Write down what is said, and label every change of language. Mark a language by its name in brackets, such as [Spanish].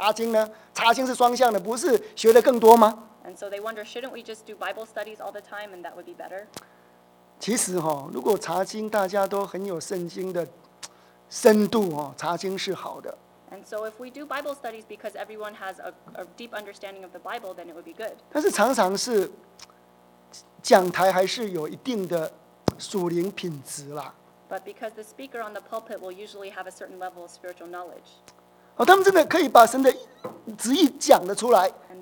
[Chinese] 因为有某些文化，他们觉得哦，这个讲台是单向的，为什么我们不天天来查经呢？查经是双向的，不是学的更多吗？ [English] And so they wonder, shouldn't we just do Bible studies all the time, and that would be better? [Chinese] 其实哦，如果查经大家都很有圣经的深度哦，查经是好的。 [English] And so if we do Bible studies because everyone has a deep understanding of the Bible, then it would be good. [Chinese] 但是常常是。讲台还是有一定的属灵品质啦。But [English] because the speaker on the pulpit will usually have a certain level of spiritual knowledge. [Chinese] 哦，他们真的可以把神的旨意讲得出来。And